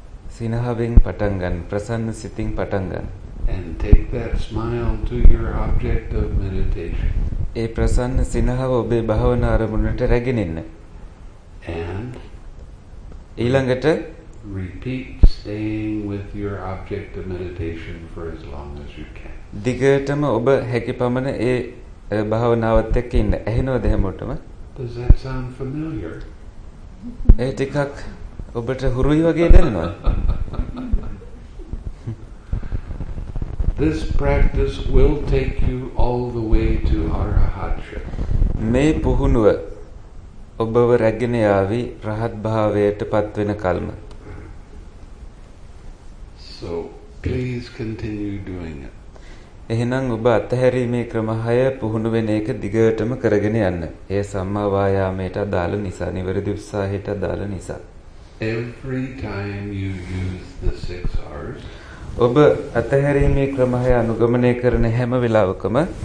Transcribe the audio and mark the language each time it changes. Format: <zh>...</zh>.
<si>සිනහවෙන් පටන් ගන්න, ප්‍රසන්න සිතින් පටන් ගන්න.</si> <en>And take that smile to your object of meditation.</en> <si>ඒ ප්‍රසන්න සිනහව ඔබේ භවනා අරමුණට රැගෙන ඉන්න.</si> <en>And</en> <si>ඊළඟට</si> <en>repeat staying with your object of meditation for as long as you can.</en> <si>දිගටම ඔබ හැකි පමණ ඒ භවනාවත් එක්ක ඉන්න. ඇහෙනවද හැමෝටම?</si> <en>Does that sound familiar?</en> <si>ඒ ටිකක් ඔබට හුරුයි වගේ දැනෙනවද?</si> <en>This practice will take you all the way to arahatship.</en> <si>මේ පුහුණුව ඔබව රැගෙන යාවි රහත් භාවයට පත් වෙන කල්ම.</si> <en>So please continue doing it.</en> <si>එහෙනම් ඔබ අත්හැරීමේ ක්‍රමය පුහුණු වෙන එක දිගටම කරගෙන යන්න. ඒ සම්මා වායාමයට අදාළ නිසා, නිවැරදි උත්සාහයට අදාළ නිසා.</si> <en>Every time you use the 6 hours</en> <si>ඔබ අත්හැරීමේ ක්‍රමය අනුගමනය කරන හැම වෙලාවකම</si>